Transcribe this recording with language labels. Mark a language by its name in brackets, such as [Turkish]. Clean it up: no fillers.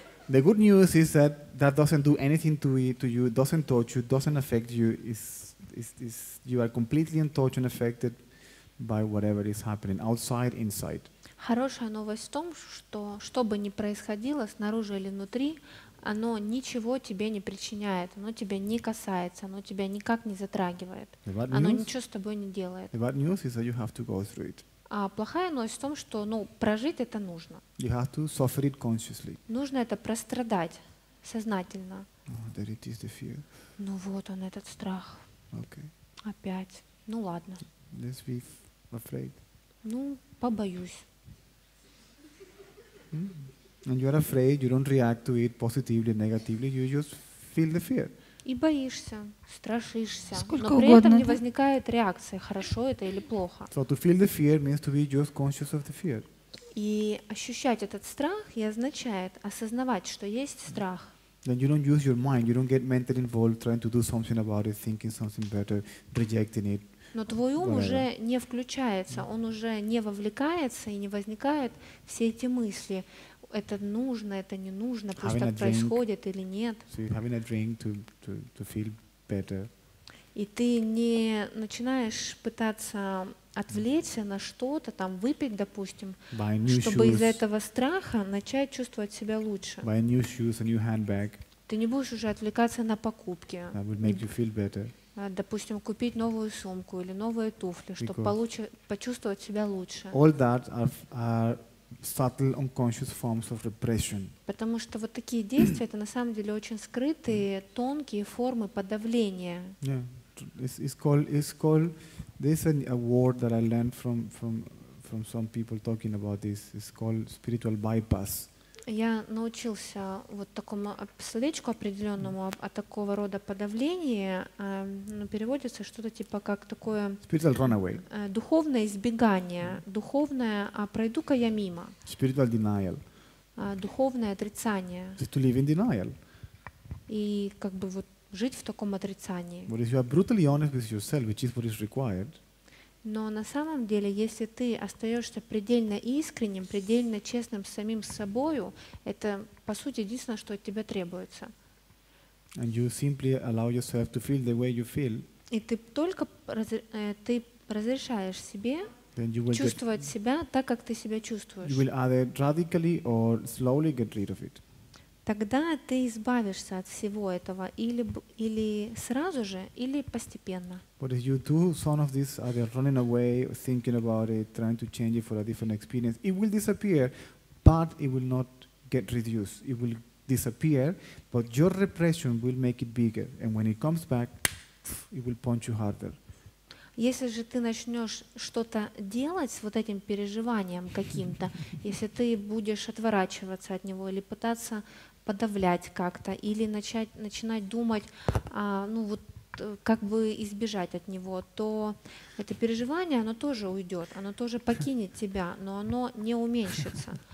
[English] The good news is that that doesn't do anything to you, doesn't touch you, doesn't affect you, is you are completely untouched and affected by whatever is happening outside, inside. [Russian] Хорошая новость в том, что что бы ни происходило снаружи или внутри, оно ничего тебе не причиняет, оно тебя не касается, оно тебя никак не затрагивает. Оно ничего с тобой не делает. [English] The bad news is that you have to go through it. [Russian] А плохая новость в том, что, ну, прожить это нужно. [English] You have to suffer it consciously. [Russian] Нужно это прострадать сознательно. [English] Oh, there it is, the fear. [Russian] Ну вот он, этот страх. [English] Okay. [Russian] Опять. Ну ладно. [English] Let's be afraid. [Russian] Ну, побоюсь. [English] And you are afraid, you don't react to it positively, negatively, you just feel the fear. [Russian] И боишься, страшишься. Сколько Но при угодно, этом да? не возникает реакции, хорошо это или плохо. [English] So to feel the fear means to be just conscious of the fear. [Russian] И ощущать этот страх и означает осознавать, что есть страх. [English] Then you don't use your mind, you don't get mentally involved, trying to do something about it, thinking something better, rejecting it. [Russian] Но твой ум уже не включается, он уже не вовлекается и не возникают все эти мысли. Это нужно, это не нужно, пусть [English] having [Russian] так происходит или нет. [English] So you're having a drink to feel better. [Russian] И ты не начинаешь пытаться отвлечься на что-то, там выпить, допустим, чтобы из-за этого страха начать чувствовать себя лучше. [English] Buy new shoes, a new handbag. [Russian] Ты не будешь уже отвлекаться на покупки. [English] That would make you feel better. [Russian] Допустим, купить новую сумку или новые туфли, чтобы почувствовать себя лучше. [English] All that are subtle unconscious forms of repression. [Russian] Потому что вот такие действия это на самом деле очень скрытые тонкие формы подавления. [English] It's called this is a word that I learned from some people talking about this. It's called spiritual bypass. [Russian] Я научился вот такому словечку определенному о такого рода подавлении, ну, переводится что-то типа как такое [English] spiritual runaway. [Russian] Духовное избегание, духовное, а пройду-ка я мимо. [English] Spiritual denial. [Russian] Духовное отрицание. [English] To live in denial. [Russian] И как бы вот жить в таком отрицании. [English] But if you are brutally honest with yourself, which is what is required. [Russian] Но на самом деле, если ты остаешься предельно искренним, предельно честным с самим собою, это, по сути, единственное, что от тебя требуется. [English] And you simply allow yourself to feel the way you feel. [Russian] И ты только ты разрешаешь себе чувствовать себя так, как ты себя чувствуешь. [English] You will either radically or slowly get rid of it. [Russian] Тогда ты избавишься от всего этого или сразу же, или постепенно. [English] But if you do some of this, either running away, thinking about it, trying to change it for a different experience, it will disappear, but it will not get reduced. It will disappear, but your repression will make it bigger. And when it comes back, it will punch you harder. [Russian] Если же ты начнешь что-то делать с вот этим переживанием каким-то, если ты будешь отворачиваться от него или пытаться подавлять как-то, или начинать думать, ну вот как бы избежать от него, то это переживание, оно тоже уйдет, оно тоже покинет тебя, но оно не уменьшится.